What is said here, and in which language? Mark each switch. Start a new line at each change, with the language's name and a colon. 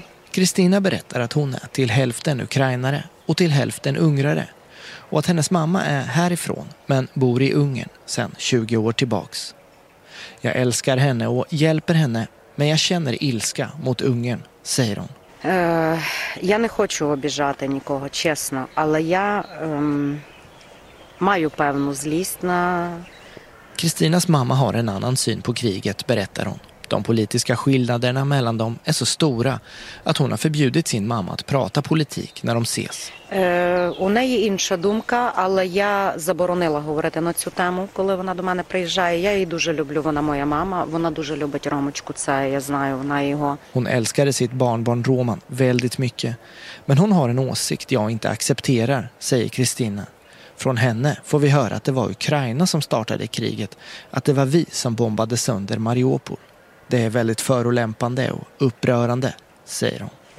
Swedish: Kristina berättar att hon är till hälften ukrainare och till hälften ungrare. Och att hennes mamma är härifrån, men bor i Ungern sedan 20 år tillbaks. Jag älskar henne och hjälper henne, men jag känner ilska mot Ungern, säger hon.
Ukrainian: Jag не хочу обіжати нікого, чесно, але я маю певну злість на.
Swedish: Кристинас мамма har en annan syn på kriget, berättar hon. De politiska skillnaderna mellan dem är så stora att hon har förbjudit sin mamma att prata politik när de ses.
Ukrainian: У неї інша думка, але я заборонила говорити на цю тему, коли вона до мене приїжджає. Я її дуже люблю, вона моя мама. Вона дуже любить Ромочку, це я знаю, вона його.
Swedish: Hon älskade sitt barnbarn Roman väldigt mycket. Men hon har en åsikt jag inte accepterar, säger Kristina. Från henne får vi höra att det var Ukraina som startade kriget, att det var vi som bombade sönder Mariupol. Det är väldigt förolämpande och upprörande, säger hon.